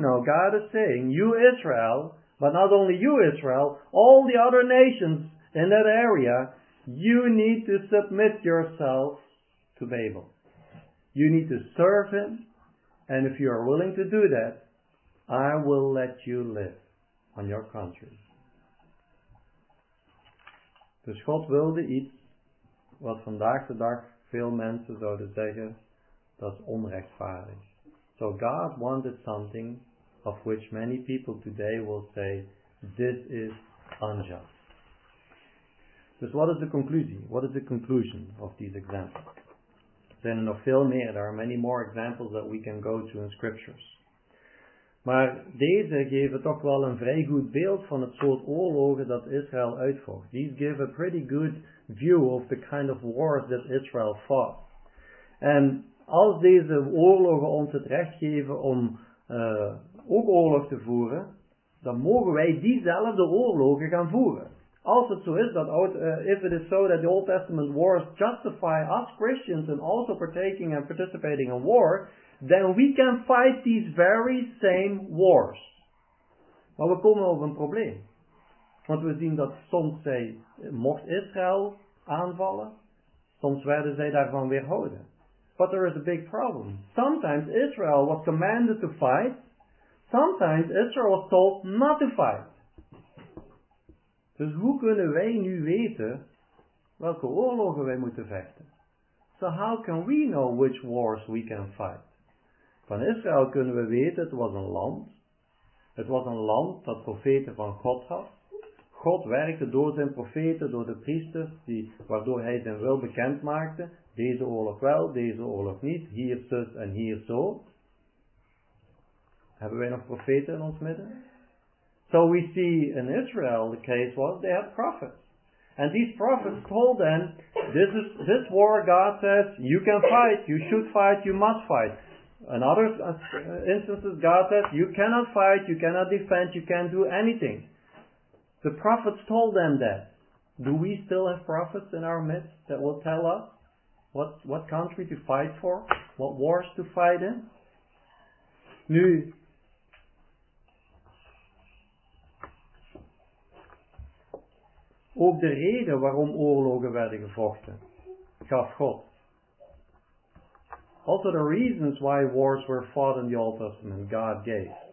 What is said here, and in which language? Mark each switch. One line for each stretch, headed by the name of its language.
English: No, God is saying, you Israel, but not only you Israel, all the other nations in that area, you need to submit yourself to Babel. You need to serve him. And if you are willing to do that, I will let you live on your country.
Dutch: Dus God wilde iets wat vandaag de dag veel mensen zouden zeggen, dat is onrechtvaardig.
English: So God wanted something of which many people today will say, this is unjust. Dus what is the conclusion? What is the conclusion of these examples?
Dutch: Zijn er nog veel meer.
English: There are many more examples that we can go to in scriptures.
Dutch: Maar deze geven toch wel een vrij goed beeld van het soort oorlogen dat Israël uitvocht.
English: These give a pretty good view of the kind of wars that Israel fought.
Dutch: En als deze oorlogen ons het recht geven om ook oorlog te voeren, dan mogen wij diezelfde oorlogen gaan voeren. Als het zo is dat
English: if it is so that the Old Testament wars justify us Christians in also partaking and participating in war, then we can fight these very same wars.
Dutch: Maar we komen op een probleem. Want we zien dat soms zij mocht Israël aanvallen, soms werden zij daarvan weerhouden.
English: But there is a big problem. Sometimes Israel was commanded to fight, sometimes Israel was told not to fight.
Dutch: Dus hoe kunnen wij nu weten welke oorlogen wij moeten vechten?
English: So how can we know which wars we can fight?
Dutch: Van Israël kunnen we weten, het was een land. Het was een land dat profeten van God had. God werkte door zijn profeten, door de priesters, waardoor hij zijn wil bekend maakte. Deze oorlog wel, deze oorlog niet. Hier zus en hier zo. Hebben wij nog profeten in ons midden?
English: So we see in Israel, the case was, they had prophets. And these prophets told them, this war, God says, you can fight, you should fight, you must fight. In other instances, God says, you cannot fight, you cannot defend, you can't do anything. The prophets told them that. Do we still have prophets in our midst that will tell us what country to fight for, what wars to fight in?
Dutch: Nu, ook de reden waarom oorlogen werden gevochten, gaf God.
English: Also the reasons why wars were fought in the Old Testament, God gave.